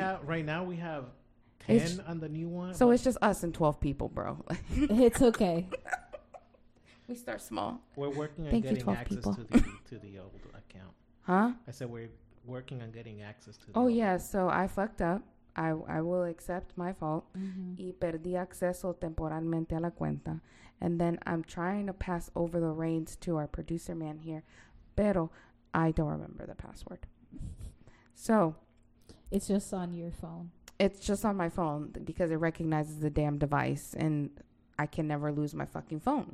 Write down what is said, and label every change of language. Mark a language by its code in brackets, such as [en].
[en] have right now we have 10 on the new one. So it's just us and 12 people, bro. It's okay. We start small. We're working on thank getting you 12 access people. to the old account. Huh? I said we're working on getting access to the oh, old yeah. Account. So I fucked up. I will accept my fault. [es] Mm-hmm. Y perdí acceso temporalmente a la cuenta. [en] And then I'm trying to pass over the reins to our producer man here. Pero I don't remember the password. So. It's just on your phone. It's just on my phone because it recognizes the damn device. And I can never lose my fucking phone.